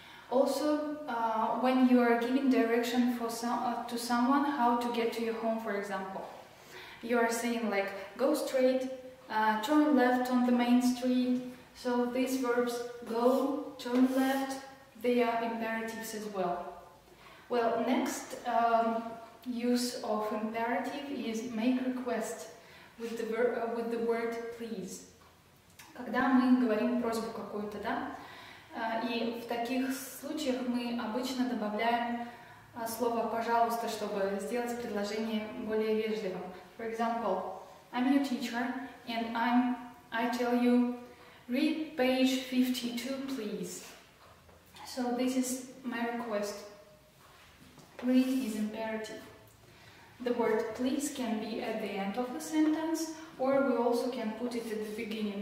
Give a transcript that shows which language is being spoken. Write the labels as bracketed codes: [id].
[en] Also, when you are giving direction for to someone how to get to your home, for example, you are saying like, go straight, turn left on the main street. So these verbs, go, turn left, they are imperatives as well. Well, next use of imperative is make request with the with the word please. [ru] Когда мы говорим просьбу какую-то, да? И в таких случаях мы обычно добавляем слово «пожалуйста», чтобы сделать предложение более вежливым. [en] For example, I'm your teacher and I tell you, read page 52, please. So this is my request. Read is imperative. The word please can be at the end of the sentence, or we also can put it at the beginning.